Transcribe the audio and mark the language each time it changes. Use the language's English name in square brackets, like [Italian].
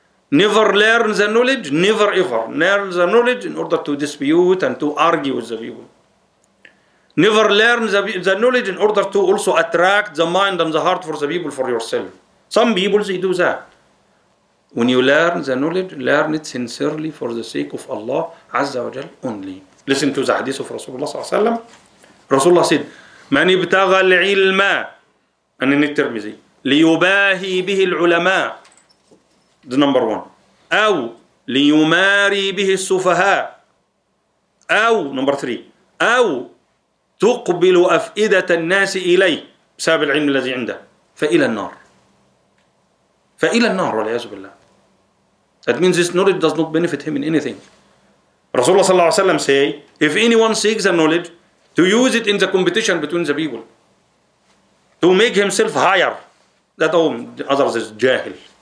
[English] Never learn the knowledge, never ever learn the knowledge in order to dispute and to argue with the people. Never learn the knowledge in order to also attract the mind and the heart for the people for yourself. Some people, they do that. When you learn the knowledge, learn it sincerely for the sake of Allah Azza wa Jal only. Listen to the hadith of Rasulullah sallallahu alayhi wa sallam. Rasulullah said, [Arabic] من ابتغى العلم أن الترمذي ليباهي به العلماء [English] the number one [Arabic] أو ليماري به السفهاء أو [English] number three [Arabic] أو تقبل أفئدة الناس إليه بسبب العلم الذي عنده فإلى النار والعياذ بالله. [English] That means this knowledge does not benefit him in anything. رسول الله صلى الله عليه وسلم say, if anyone seeks the knowledge to use it in the competition between the people, to make himself higher, that all the others is jahil.